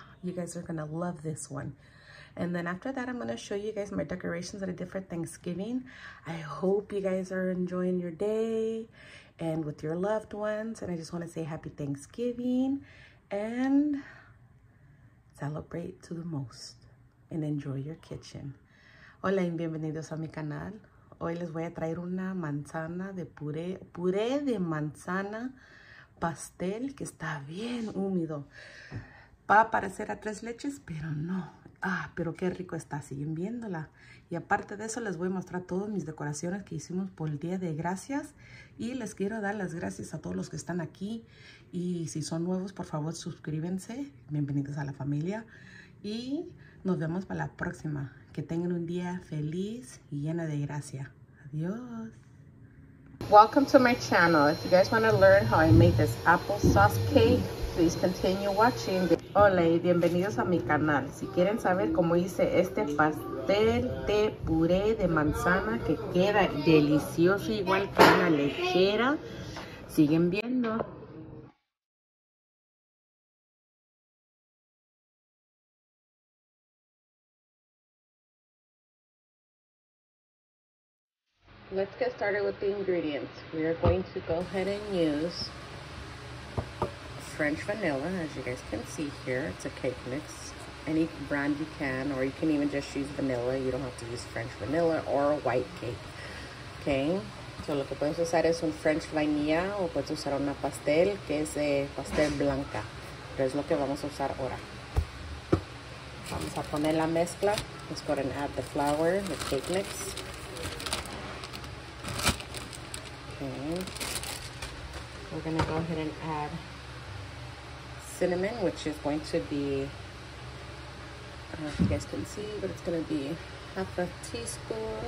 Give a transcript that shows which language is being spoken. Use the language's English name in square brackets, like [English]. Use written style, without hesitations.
[English] You guys are gonna love this one. And then after that, I'm gonna show you guys my decorations that I did for Thanksgiving. I hope you guys are enjoying your day and with your loved ones. And I just wanna say happy Thanksgiving and celebrate to the most and enjoy your kitchen. [Spanish] Hola y bienvenidos a mi canal. Hoy les voy a traer una manzana de puré de manzana pastel que está bien húmedo. Va a parecer a tres leches, pero no. Ah, pero qué rico está, siguen viéndola. Y aparte de eso, les voy a mostrar todas mis decoraciones que hicimos por el Día de Gracias. Y les quiero dar las gracias a todos los que están aquí. Y si son nuevos, por favor, suscríbanse. Bienvenidos a la familia. Y nos vemos para la próxima. Que tengan un día feliz y llena de gracia. Adiós. [English] Welcome to my channel. If you guys want to learn how I make this applesauce cake, please continue watching. [Spanish] Hola y bienvenidos a mi canal. Si quieren saber cómo hice este pastel de puré de manzana que queda delicioso igual que una lechera, siguen viendo. [English] Let's get started with the ingredients. We are going to go ahead and use French vanilla, as you guys can see here. It's a cake mix. Any brand you can, or you can even just use vanilla. You don't have to use French vanilla or a white cake. [Spanish] Okay, so lo que puedes usar es un French vainilla o puedes usar una pastel que es de pastel blanca. Pero es lo que vamos a usar ahora. Vamos a poner la mezcla. [English] Let's go ahead and add the flour, the cake mix. Okay. We're gonna go ahead and add cinnamon, which is going to be, I don't know if you guys can see, but it's gonna be half a teaspoon.